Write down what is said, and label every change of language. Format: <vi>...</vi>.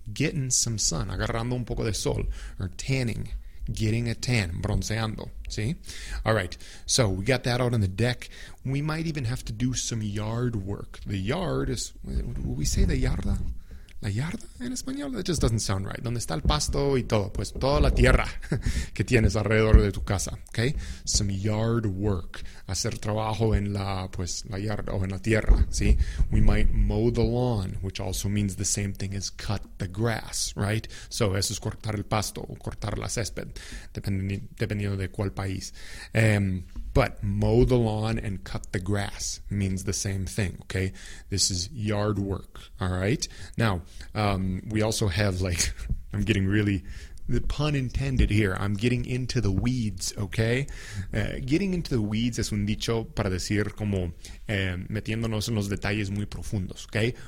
<en>Getting some sun.</en> <es>Agarrando un poco de sol.</es> <en>Or tanning. Getting a tan,</en> <es>bronceando,</es> <en>see? All right, so we got that out on the deck. We might even have to do some yard work. The yard is, will we say the yarda?</en> <es>La yarda en español?</es> <en>That just doesn't sound right.</en> <es>¿Dónde está el pasto y todo? Pues toda la tierra que tienes alrededor de tu casa, okay?</es> <en>Some yard work.</en> <es>Hacer trabajo en la, pues, la yarda o en la tierra, see?</es> <en>We might mow the lawn, which also means the same thing as cut the grass, right?</en> <es>So eso es cortar el pasto o cortar la césped, dependiendo de cuál país.</es> <en>But mow the lawn and cut the grass means the same thing, okay? This is yard work, all right? Now, we also have, like, I'm getting really, the pun intended here, I'm getting into the weeds, okay? Getting into the weeds</en> <es>es un dicho para decir como metiéndonos en los detalles muy profundos, okay?</es>